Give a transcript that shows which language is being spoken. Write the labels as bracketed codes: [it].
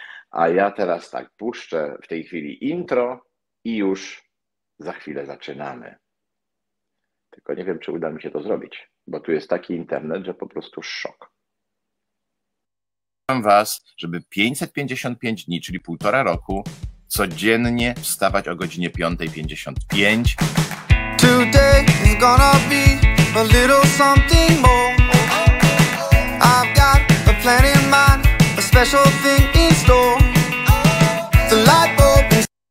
[pl] A ja teraz tak puszczę w tej chwili intro i już za chwilę zaczynamy. Tylko nie wiem, czy uda mi się to zrobić, bo tu jest taki internet, że po prostu szok. Zapraszam Was, żeby 555 dni, czyli półtora roku, codziennie wstawać o godzinie 5:55. [en] Today is gonna be a little something more. I've got a plan in mind, a special thing in store. The light bulb is